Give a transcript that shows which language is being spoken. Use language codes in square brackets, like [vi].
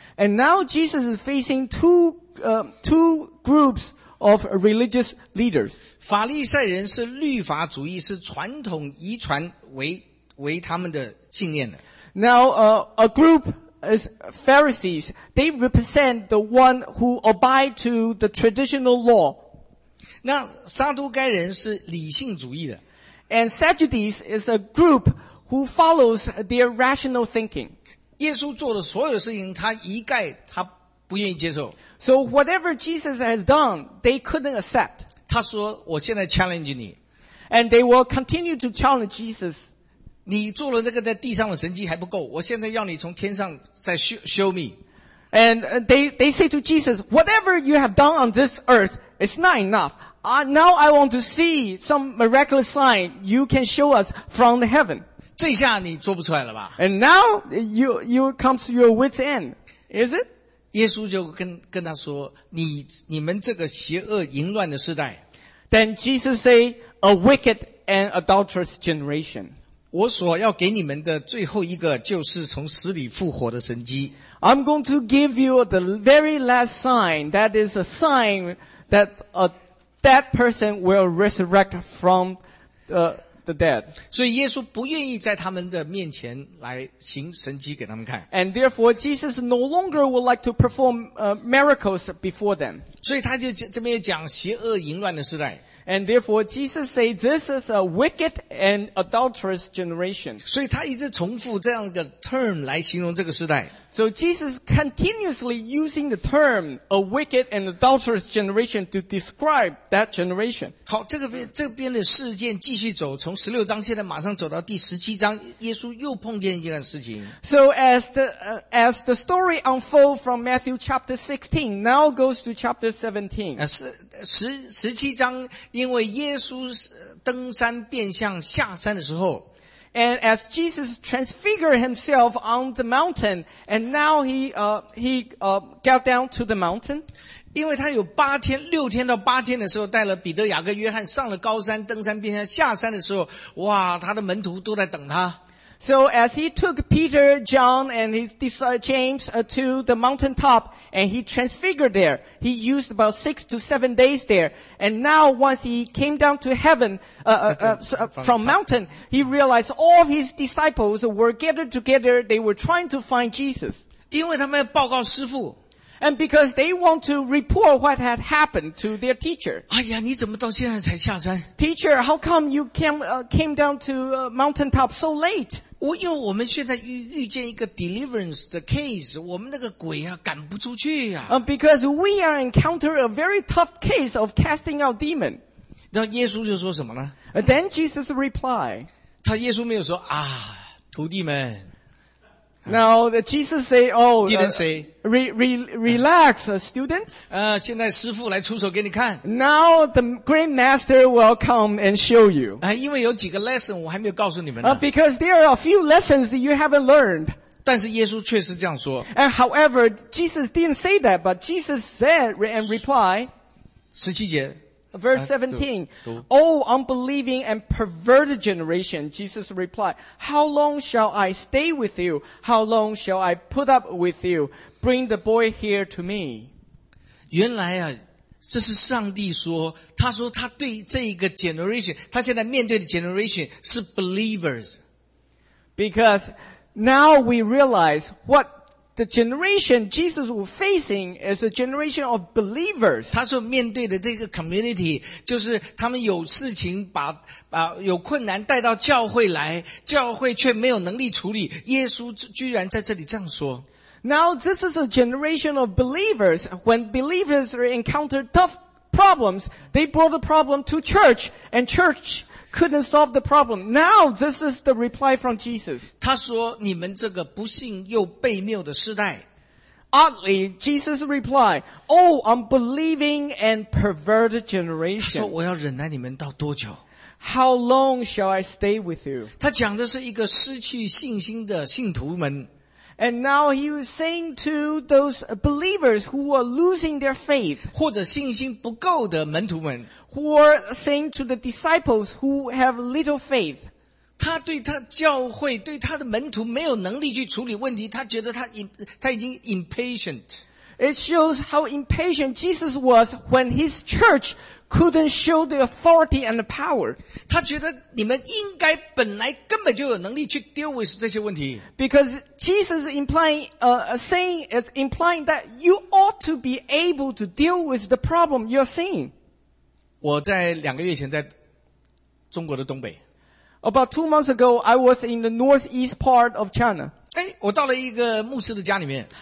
[en] And now Jesus is facing two groups. Of religious leaders. [zh] 法利赛人是律法主义是传统遗传为他们的信念的。 [en] Now, a group is Pharisees. They represent the one who abide to the traditional law. [zh] 那撒都该人是理性主义的。 [en] And Sadducees is a group who follows their rational thinking. [zh] 耶稣做的所有事情他一概他不愿意接受。 [en] So whatever Jesus has done, they couldn't accept. [zh] 他说我现在 challenge 你。 [en] And they will continue to challenge Jesus. [zh] 你做了那个在地上的神迹还不够，我现在要你从天上再 [en] show me. And they say to Jesus, whatever you have done on this earth, it's not enough. Now I want to see some miraculous sign you can show us from the heaven. [zh] 这下你做不出来了吧。 [en] And now you come to your wit's end, is it? [zh] 耶稣就跟他说你们这个邪恶淫乱的世代。 [en] Then Jesus say, a wicked and adulterous generation. [zh] 我所要给你们的最后一个就是从死里复活的神迹。 [en] I'm going to give you the very last sign, that is a sign that a dead person will resurrect from the dead. [zh] 所以耶稣不愿意在他们的面前来行神迹给他们看。 [en] And therefore, Jesus no longer would like to perform miracles before them. [zh] 所以他就这边讲邪恶淫乱的时代。 [en] And therefore, Jesus say, this is a wicked and adulterous generation. [zh] 所以他一直重复这样的 term 来形容这个时代。 [en] So Jesus continuously using the term a wicked and adulterous generation to describe that generation. [zh] 好，这边的事件继续走，从16章现在马上走到第17章，耶稣又碰见一件事情。 [en] So as the story unfolds from Matthew chapter 16, now goes to chapter 17. [zh] 17章，因为耶稣登山变相下山的时候。 [en] And as Jesus transfigured himself on the mountain, and now he got down to the mountain. [zh] 因为他有八天，六天到八天的时候，带了彼得、雅各、约翰上了高山，登山变相下山的时候，哇，他的门徒都在等他。 [en] So as he took Peter, John, and his disciple James to the mountaintop, and he transfigured there, he used about 6 to 7 days there. And now once he came down to heaven, from mountain, he realized all his disciples were gathered together, they were trying to find Jesus. [zh] 因为他们报告师父。 [en] And because they want to report what had happened to their teacher. [zh] 哎呀，你怎么到现在才下山？ [en] Teacher, how come you came down to mountaintop so late? [zh] 因为我们现在遇见一个 deliverance 的 case, 我们那个鬼啊赶不出去啊。 [en] Because we are encountering a very tough case of casting out demon. [zh] 那耶稣就说什么呢？ [en] Then Jesus replied. [zh] 他耶稣没有说啊徒弟们。 [en] Now Jesus say, "Oh, [zh] 弟兄们 [en] relax, students." [zh] 现在师父来出手给你看。 [en] Now the great master will come and show you. [zh] 因为有几个 lesson 我还没有告诉你们呢。 [en] Because there are a few lessons that you haven't learned. [zh] 但是耶稣确实这样说。 [en] And however, Jesus didn't say that, but Jesus said and replied. 17节。 Verse 17. Oh, unbelieving and perverted generation, Jesus replied, how long shall I stay with you? How long shall I put up with you? Bring the boy here to me. [zh] 原来啊，这是上帝说，他说他对这一个 generation, 他现在面对的 generation 是 believers. [en] Because,Now we realize what the generation Jesus was facing is a generation of believers. [zh] 他所面对的这个 community 就是他们有事情把有困难带到教会来，教会却没有能力处理。耶稣居然在这里这样说。 [en] Now this is a generation of believers. When believers encounter tough problems, they brought the problem to church and church. Couldn't solve the problem. Now, this is the reply from Jesus. [zh] 他说你们这个不信又悖谬的世代。 [en] Oddly, Jesus replied, Oh, unbelieving and perverted generation. [zh] 他说我要忍耐你们到多久？ [en] How long shall I stay with you? [zh] 他讲的是一个失去信心的信徒们。 [en] And now he was saying to those believers who are losing their faith. [zh] 或者信心不够的门徒们。 [en] Who are saying to the disciples who have little faith. [zh] 他对他教会对他的门徒没有能力去处理问题，他觉得他已经 impatient. [en] It shows how impatient Jesus was when his church couldn't show the authority and the power. [zh] 他觉得你们应该本来根本就有能力去 [en] deal with [zh] 这些问题。 [en] Because Jesus is implying that you ought to be able to deal with the problem you're seeing. [zh] 我在两个月前在中国的东北。 [en] About 2 months ago, I was in the northeast part of China. [zh] 我到了一个牧师的家里面。